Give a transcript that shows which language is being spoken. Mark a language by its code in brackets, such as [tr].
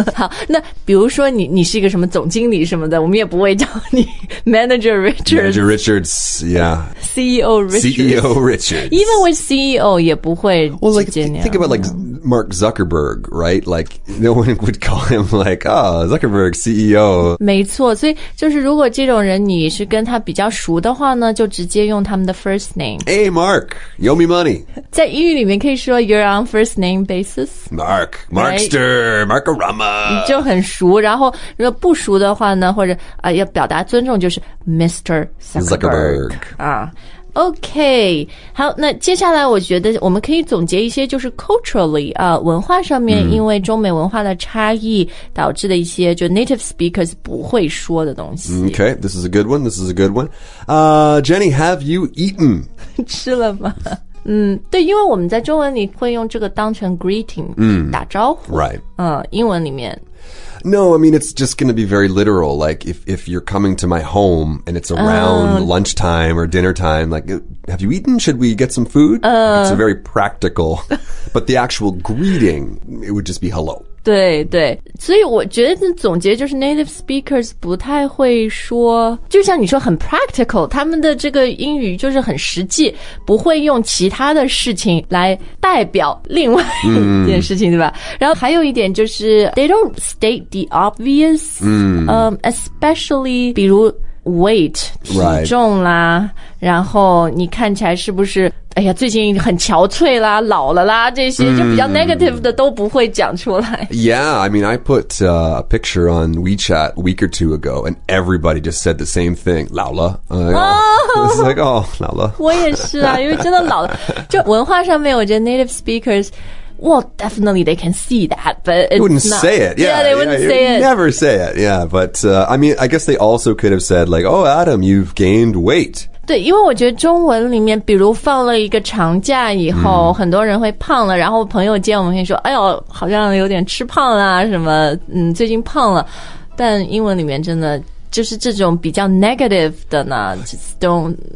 [zh] 好，那比如说你是一个什么总经理什么的，我们也不会叫你 Manager Richards. [en] Manager Richards, yeah. CEO Richards. CEO Richards. Even with CEO, [zh] 也不会直接那样。 [en] Well, like, think about like Mark Zuckerberg, right? Like, no one would call him like, ah,、oh, Zuckerberg, CEO. [zh] 没错，所以就是如果这种人你是跟他比较熟的话呢，就直接用他们的 first name. [en] Hey, Mark, you owe me money. [zh] 在英语里面可以说 [en] you're on first name basis. Mark, Markster,、right? Markarama. [zh] 就很熟，然后如果不熟的话呢，或者、要表达尊重就是 Mr. [en] Zuckerberg. [zh] OK, 好，那接下来我觉得我们可以总结一些就是 culturally, 文化上面因为中美文化的差异导致的一些就 native speakers 不会说的东西。 [en] OK, this is a good one, this is a good one. Jenny, have you eaten? [zh] 吃了吗？对，因为我们在中文里会用这个当成 greeting, 打招呼。 [en] Right. [zh] 英文里面。 [en] No, I mean, it's just going to be very literal. Like, if you're coming to my home and it's around lunchtime or dinner time, like, have you eaten? Should we get some food? It's very practical. But the actual greeting, it would just be hello. [zh] 对对。所以我觉得总结就是 native speakers 不太会说就像你说很 practical, 他们的这个英语就是很实际不会用其他的事情来代表另外一件事情、对吧然后还有一点就是 [en] they don't state the obvious,、 [zh] especially 比如 weight, 体重啦、然后你看起来是不是哎呀最近很憔悴啦老了啦这些就比较 negative 的都不会讲出来。 [en] Yeah, I mean, I put a picture on WeChat a week or two ago, and everybody just said the same thing, 老了。 It's like, oh, 老了。 [zh] 我也是啊因为真的老了。就文化上面我觉得 [en] native speakers, well, definitely they can see that, but they wouldn't say it. Yeah, they wouldn't say it. Never say it, yeah, but I mean, I guess they also could have said like, oh, Adam, you've gained weight. [zh] 对因为我觉得中文里面比如放了一个长假以后、很多人会胖了然后朋友见我们会说哎呦好像有点吃胖啦什么最近胖了但英文里面真的就是这种比较 negative 的呢 [en] just don't